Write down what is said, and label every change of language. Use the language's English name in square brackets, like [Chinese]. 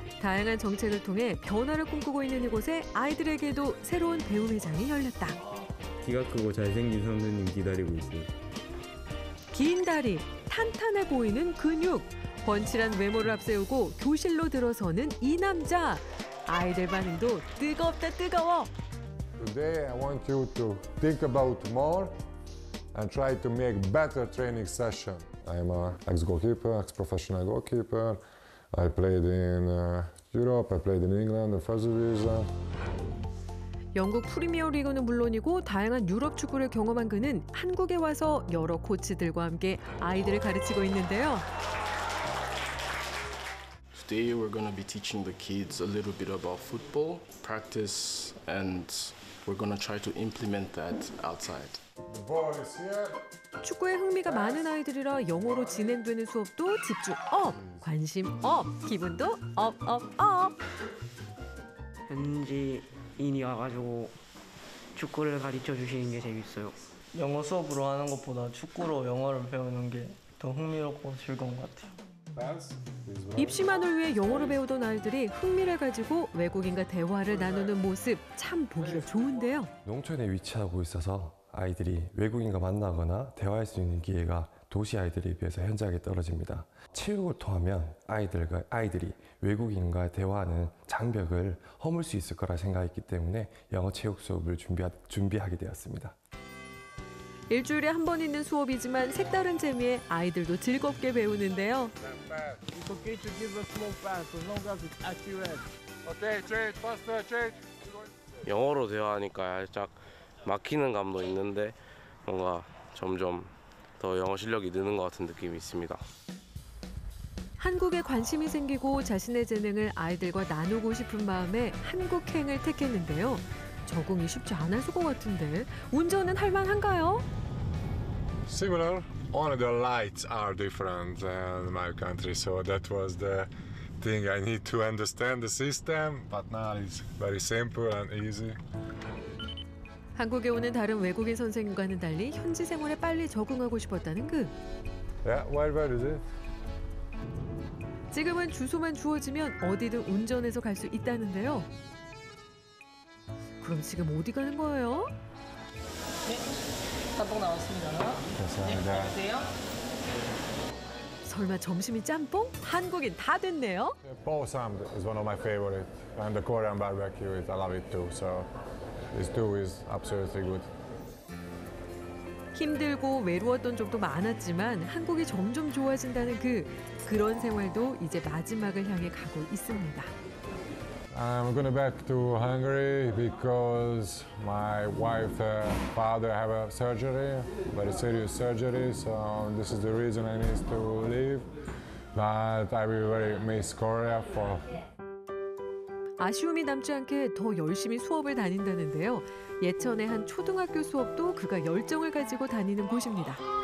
[Korean] 다양한 정책을 통해 변화를 꿈꾸고 있는 이곳에 아이들에게도 새로운 배움 회장이 열렸다. 키가 크고 잘생긴 선배님 기다리고 있어요. 긴 다리, 탄탄해 보이는 근육, 번칠한 외모를 앞세우고 교실로 들어서는 이 남자. 아이들 반응도 뜨겁다 뜨거워. [English] Today I want you to think about more and try to make better training session. I'm an ex-goalkeeper, ex-professional goalkeeper. I played in Europe, I played in England, the first division. [Korean] 영국 프리미어리그는 물론이고 다양한 유럽 축구를 경험한 그는 한국에 와서 여러 코치들과 함께 아이들을 가르치고 있는데요. [English] Today we're going to be teaching the kids a little bit about football practice and we're going to try to implement that outside. The ball is here. [Korean] 축구에 흥미가 많은 아이들이라 영어로 진행되는 수업도 집중 업, 관심 업, 기분도 업, 업, 업. 현지인이 와가지고 축구를 가르쳐주시는 게 재밌어요. 영어 수업으로 하는 것보다 축구로 영어를 배우는 게 더 흥미롭고 즐거운 것 같아요. 입시만을 위해 영어를 배우던 아이들이 흥미를 가지고 외국인과 대화를 나누는 모습 참 보기가 좋은데요. 농촌에 위치하고 있어서 아이들이 외국인과 만나거나 대화할 수 있는 기회가 도시 아이들에 비해서 현저하게 떨어집니다. 체육을 통하면 아이들이 외국인과 대화하는 장벽을 허물 수 있을 거라 생각했기 때문에 영어 체육 수업을 준비하게 되었습니다. 일주일에 한 번 있는 수업이지만 색다른 재미에 아이들도 즐겁게 배우는데요. [English] It's okay to give a small pass as long as it's accurate. Okay, change, faster, change. [Korean] 영어로 대화하니까 살짝 막히는 감도 있는데 뭔가 점점 더 영어 실력이 느는 것 같은 느낌이 있습니다. 한국에 관심이 생기고 자신의 재능을 아이들과 나누고 싶은 마음에 한국행을 택했는데요. 적응이 쉽지 않을 것 같은데 운전은 할 만한가요? [English] Similar, only the lights are different in my country. So that was the thing I need to understand the system. But now it's very simple and easy. [Korean] 한국에 오는 다른 외국인 선생님과는 달리 현지 생활에 빨리 적응하고 싶었다는 그. [English] Yeah, where is it? [Korean] 지금은 주소만 주어지면 어디든 운전해서 갈 수 있다는데요. 그럼 지금 어디 가는 거예요? 네, 짬뽕 나왔습니다. 감사합니다. 네, 드세요. 설마 점심이 짬뽕? 한국인 다 됐네요. [English] Bosam is one of my favorite, and the Korean barbecue is I love it too. So this too is absolutely good. [Korean] 힘들고 외로웠던 적도 많았지만 한국이 점점 좋아진다는 그 그런 생활도 이제 마지막을 향해 가고 있습니다. [English] I'm going back to Hungary because my wife's father have a surgery, very serious surgery. So this is the reason I need to leave. But I will very miss Korea for. [Korean] 아쉬움이 남지 않게 더 열심히 수업을 다닌다는데요. 예천의 한 초등학교 수업도 그가 열정을 가지고 다니는 곳입니다.